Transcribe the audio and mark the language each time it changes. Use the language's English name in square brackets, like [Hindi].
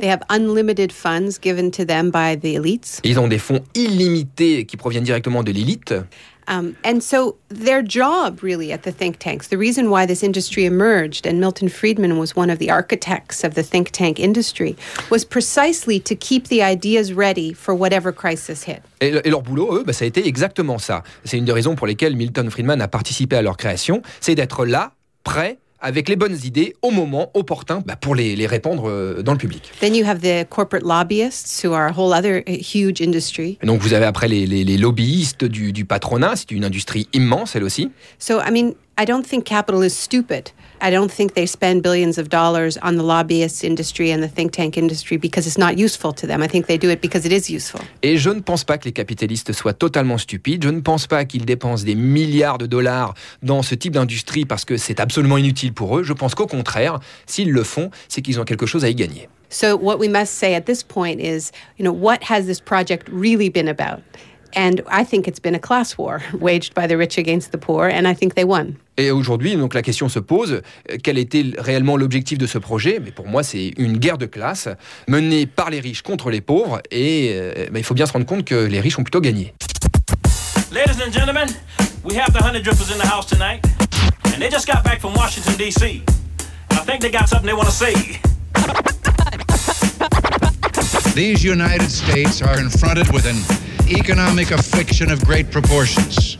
[English] They have unlimited funds given to them by the elites. [French] Ils ont des fonds illimités qui proviennent directement de l'élite. [English] And so their job really at the think tanks, the reason why this industry emerged, and Milton Friedman was one of the architects of the think tank industry, was precisely to keep the ideas ready for whatever crisis hit. [French] Et leur boulot, eux, ça a été exactement ça. C'est une des raisons pour lesquelles Milton Friedman a participé à leur création, c'est d'être là, prêt, avec les bonnes idées au moment opportun pour les répandre dans le public. [English] Then you have the corporate lobbyists, who are a whole other huge industry. [French] Et donc vous avez après les lobbyistes du patronat, c'est une industrie immense elle aussi. [English] So I mean, I don't think capital is stupid. I don't think they spend billions of dollars on the lobbyist industry and the think tank industry because it's not useful to them. I think they do it because it is useful. [French] Et je ne pense pas que les capitalistes soient totalement stupides. Je ne pense pas qu'ils dépensent des milliards de dollars dans ce type d'industrie parce que c'est absolument inutile pour eux. Je pense qu'au contraire, s'ils le font, c'est qu'ils ont quelque chose à y gagner. [English] So what we must say at this point is, you know, what has this project really been about? And I think it's been a class war waged by the rich against the poor, and I think they won. [French] Et aujourd'hui, donc, la question se pose, quel était réellement l'objectif de ce projet? Mais pour moi, c'est une guerre de classe menée par les riches contre les pauvres, et il faut bien se rendre compte que les riches ont plutôt gagné. [English] Ladies and gentlemen, we have the 100 drippers in the house tonight, and they just got back from Washington, D.C. I think they got something they want to say. These United States are confronted with an economic affliction of great proportions.